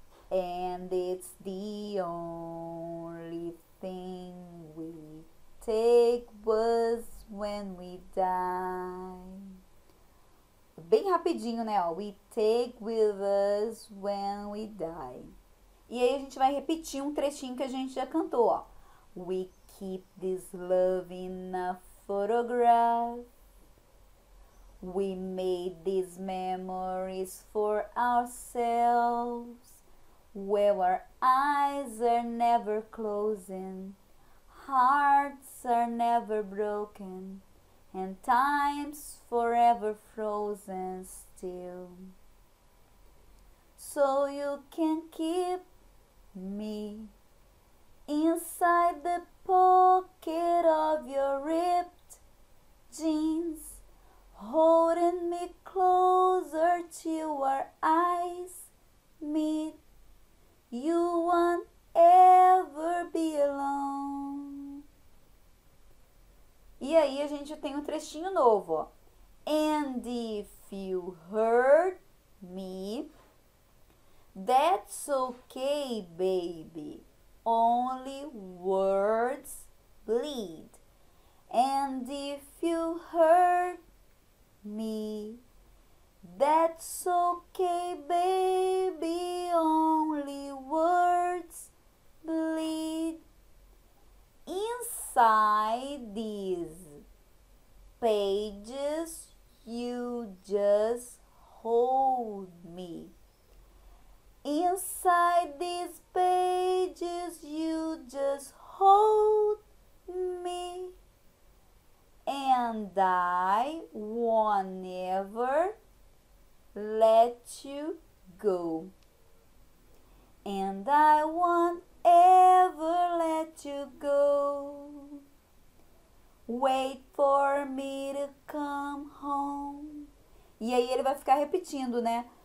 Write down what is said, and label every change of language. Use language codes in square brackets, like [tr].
[en] And it's the only thing we take with us when we die. [pt] Bem rapidinho, né? [en] We take with us when we die. [pt] E aí a gente vai repetir um trechinho que a gente já cantou, ó. [en] We keep this love in a photograph. We made these memories for ourselves. Where our eyes are never closing, hearts are never broken, and time's forever frozen still. So you can keep me inside the pocket of your ripped jeans, holding me closer till our eyes meet. You won't ever be alone. [pt] E aí a gente tem um trechinho novo, ó. [en] And if you hurt me, that's okay, baby. Only words bleed. And if you hurt me, that's okay, baby. Only words bleed. Inside these pages, you just hold me. Inside these pages, you just hold me. And I won't ever let you go. And I won't ever let you go. Wait for me to come home. [pt] E aí ele vai ficar repetindo, né?